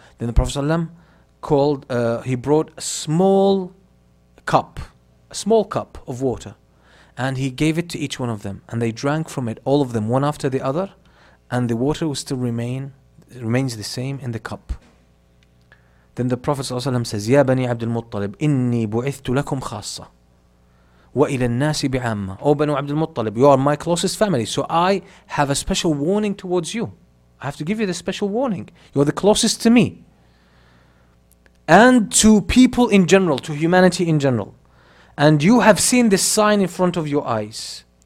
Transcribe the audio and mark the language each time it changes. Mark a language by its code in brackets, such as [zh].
[en] Then the Prophet ﷺ called, he brought a small cup of water, and he gave it to each one of them, and they drank from it, all of them, one after the other, and the water will still remains the same in the cup. Then the Prophet ﷺ says, [ar] يَا بَنِي عَبْدُ الْمُطَّلِبِ إِنِّي بُعِثْتُ لَكُمْ خَاصَّةً وَإِلَى النَّاسِ بِعَامَّةٍ. [en] O Banu Abdul Muttalib, you are my closest family, so I have a special warning towards you. I have to give you the special warning. You are the closest to me. And to people in general, to humanity in general. And you have seen this sign in front of your eyes.